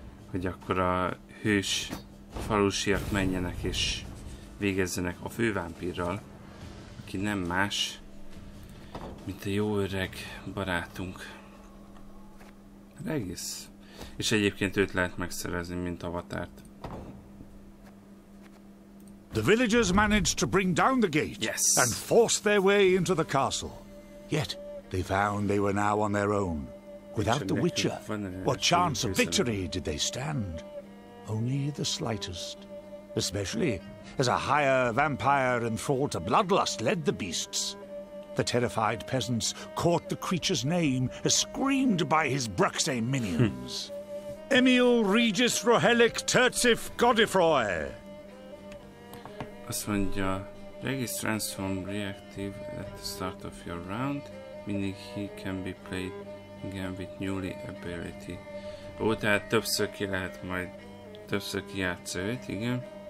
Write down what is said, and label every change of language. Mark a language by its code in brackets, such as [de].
[hu] Hogy akkor a hős falusiak menjenek és végezzenek a fővámpírral, aki nem más, mint a jó öreg barátunk. Regis. És egyébként őt lehet megszerezni, mint avatárt. [en] The villagers managed to bring down the gate. Yes. And force their way into the castle. Yet, they found they were now on their own. Without the Witcher, what chance of victory did they stand? Only the slightest. Especially as a higher vampire enthralled to bloodlust led the beasts. The terrified peasants caught the creature's name as screamed by his Bruxay minions. Emil Regis Rohelic Tertsif Godifroy. [hu] Azt mondja, [en] Regis transform reactive at the start of your round, meaning he can be played. [hu] Igen, [en] with newly ability. [hu] Ó, tehát többször ki lehet majd, többször kijátsza őt, igen.